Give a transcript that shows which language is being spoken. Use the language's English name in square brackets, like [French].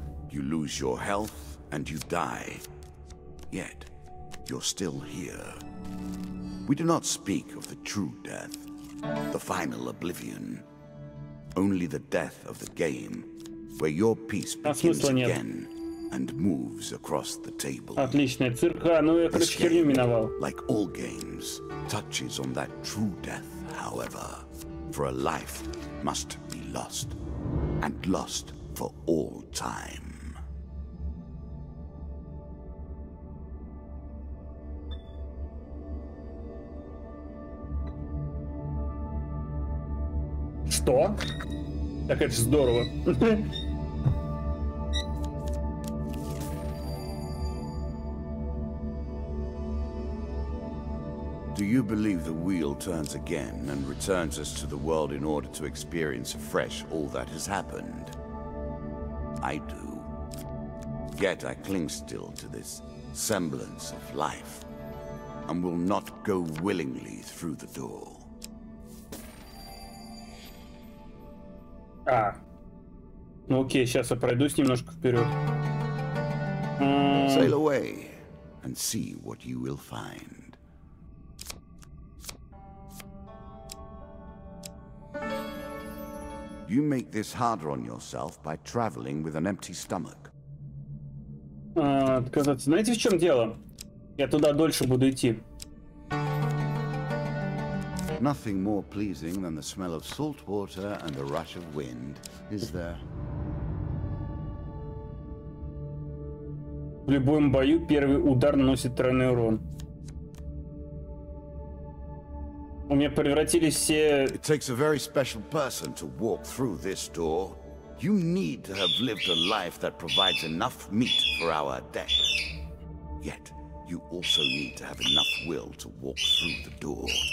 [English] You lose your health and you die. Yet, you're still here. We do not speak of the true death, the final oblivion. Only the death of the game, where your piece begins again and moves across the table. [Russian] Отличная цирка, ну я короче херню миновал. [English] Like all games, touches on that true death, however, for a life must be lost, and lost for all time. [Russian] Что? Так это же здорово. [English] Do you believe the wheel turns again and returns us to the world in order to experience afresh all that has happened? I do. Yet I cling still to this semblance of life and will not go willingly through the door. [Russian] А, ну окей, сейчас я пройдусь немножко вперед. [English] Sail away and see what you will find. You make this harder on yourself by traveling with an empty stomach. [Russian] Отказаться. Знаете, в чем дело? Я туда дольше буду идти. [English] Nothing more pleasing than the smell of salt water and the rush of wind, is there? [Russian] В любом бою первый удар наносит тройной урон. У меня превратились все... [English] It takes a very special person to walk through this door. You need to have lived a life that provides enough meat for our deck. Yet, you also need to have enough will to walk through the door.